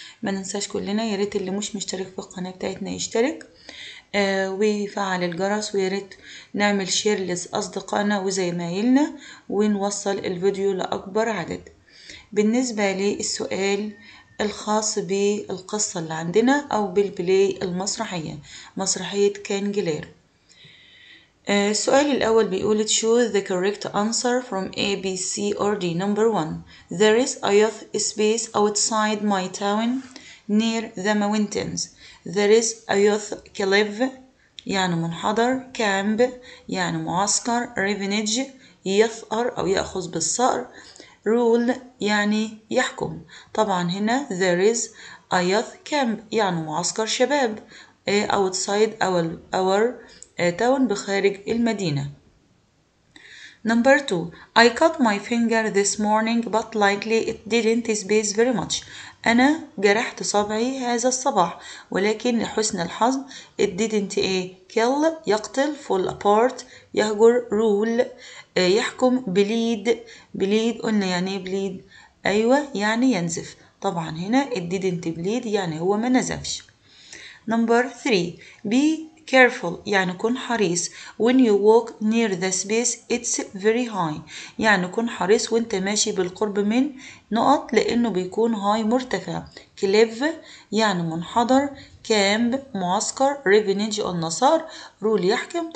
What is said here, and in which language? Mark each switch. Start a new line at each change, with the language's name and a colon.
Arabic: ما ننساش كلنا، يا ريت اللي مش مشترك في القناة بتاعتنا يشترك ويفعل الجرس، ويا ريت نعمل شير لأصدقائنا وزمايلنا ونوصل الفيديو لأكبر عدد. بالنسبة للسؤال الخاص بالقصة اللي عندنا أو بالبلاي المسرحية، مسرحية كانجلير، السؤال الأول بيقول
English: choose the correct answer from A, B, C or D. Number one, there is a youth space outside my town near the mountains. There is a youth club,
Arabic: يعني منحدر، camp يعني معسكر، revenge يثأر أو يأخذ بالثأر، rule يعني يحكم. طبعا هنا
English: there is a youth camp
Arabic: يعني معسكر شباب
English: outside our
Arabic: تاون، بخارج المدينة.
English: Number two, I cut my finger this morning but likely it didn't space very much.
Arabic: أنا جرحت صبعي هذا الصباح، ولكن لحسن الحظ
English: it didn't kill
Arabic: يقتل،
English: fall apart
Arabic: يهجر، rule يحكم، bleed قلنا يعني bleed، أيوة يعني ينزف. طبعا هنا
English: it didn't bleed
Arabic: يعني هو ما نزفش.
English: Number three, be careful
Arabic: يعني كن حريص،
English: when you walk near the space it's very high
Arabic: يعني كن حريص وانت ماشي بالقرب من نقط، لانه بيكون هاي مرتفع، كليف يعني منحدر، كامب معسكر، ريفينج النصار، رول يحكم.